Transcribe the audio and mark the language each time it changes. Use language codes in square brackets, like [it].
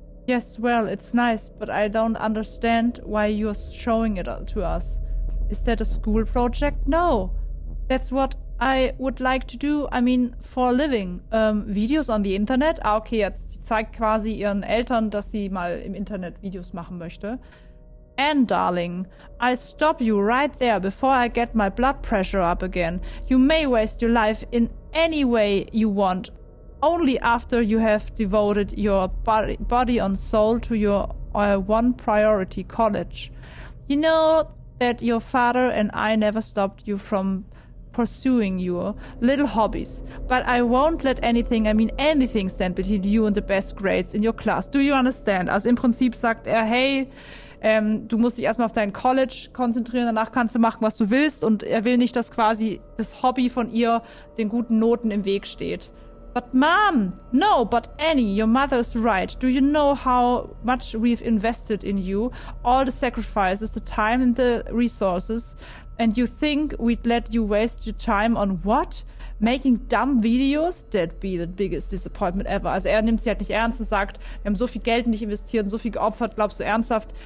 [en] Yes, well, it's nice, but I don't understand why you're showing it to us. Is that a school project? No. That's what I would like to do, I mean, for a living. Videos on the Internet? [de] Ah, okay, jetzt sie zeigt quasi ihren Eltern, dass sie mal im Internet Videos machen möchte. [en] Anne, darling, I'll stop you right there before I get my blood pressure up again. You may waste your life in any way you want, only after you have devoted your body and soul to your one priority, college. You know that your father and I never stopped you from pursuing your little hobbies, but I won't let anything, I mean anything, stand between you and the best grades in your class. Do you understand? [de] Also im Prinzip sagt er, hey, du musst dich erstmal auf dein College konzentrieren, danach kannst du machen, was du willst. Und er will nicht, dass quasi das Hobby von ihr den guten Noten im Weg steht. [en] But Mom, no, but Annie, your mother is right. Do you know how much we've invested in you? All the sacrifices, the time and the resources. And you think we'd let you waste your time on what? Making dumb videos? That'd be the biggest disappointment ever. [de] Also er nimmt sie halt nicht ernst und sagt, wir haben so viel Geld nicht investiert, so viel geopfert, glaubst du ernsthaft?